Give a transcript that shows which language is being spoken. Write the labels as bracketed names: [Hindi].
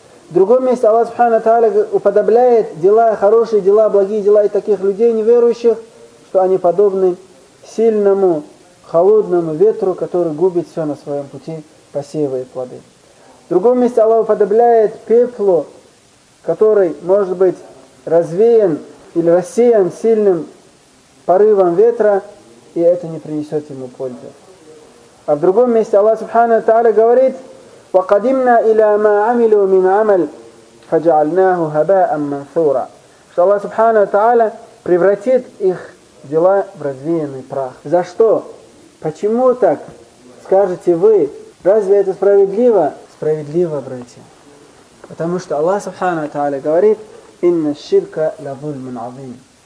[Russian] В другом месте Аллах Субхана Тааля уподобляет дела, хорошие дела, благие дела и таких людей неверующих, что они подобны сильному, холодному ветру, который губит все на своем пути, посеивает плоды. В другом месте Аллах уподобляет пеплу, который может быть развеян или рассеян сильным порывом ветра, и это не принесет ему пользы. А в другом месте Аллах Субхана Тааля говорит: [Arabic] وَقَدِمْنَا إِلَى مَا عَمِلُوا مِنْ عَمَلٍ فَجَعَلْنَاهُ هَبَاءً مَنْثُورًا. [Russian] Что Аллах Субхана Тааля превратит их дела в развеянный прах. За что? Почему так? Скажете вы, разве это справедливо? Справедливо, братья. Потому что Аллах Субхана Тааля говорит: [Arabic] إِنَّ الشِّرْكَ لَظُلْمٌ عَظِيمٌ.